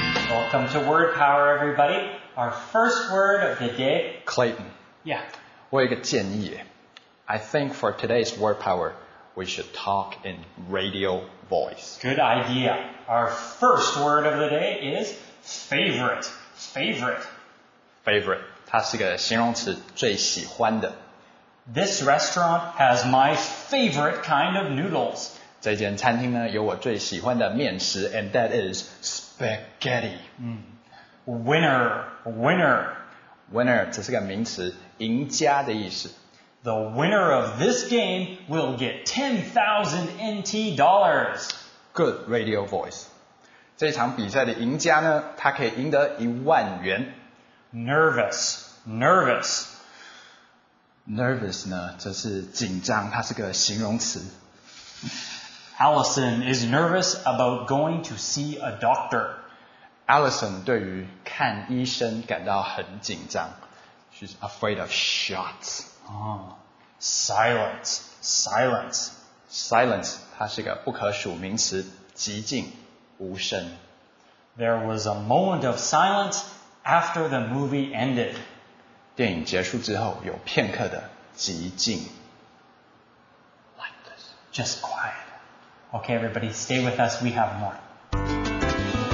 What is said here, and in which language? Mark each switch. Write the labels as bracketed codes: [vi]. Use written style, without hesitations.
[en] Welcome to word power everybody Our first word of the day Clayton Yeah [zh] 我有一个建议 [en] I think for today's word powerWe should talk in radio voice. Good idea. Our first word of the day is favorite. Favorite. Favorite. [zh] 它是个形容词最喜欢的。 [en] This restaurant has my favorite kind of noodles. [zh] 这间餐厅呢有我最喜欢的面食 [en] and that is spaghetti. Winner. Winner. Winner. [zh] 这是个名词赢家的意思。 [en] The winner of this game will get 10,000 NT dollars. Good radio voice. [zh] 这场比赛的赢家呢，他可以赢得一万元。 [en] Nervous, nervous. [zh] Nervous 呢，这是紧张，它是个形容词。 [en] Allison is nervous about going to see a doctor. [zh] Allison 对于看医生感到很紧张。 [en] She's afraid of shots. Silence, silence. [zh] Silence, 它是个不可数名词寂静无声。 [en] There was a moment of silence after the movie ended. [zh] 电影结束之后有片刻的寂静。 [en] Like this, just quiet. Okay, everybody, stay with us, we have more.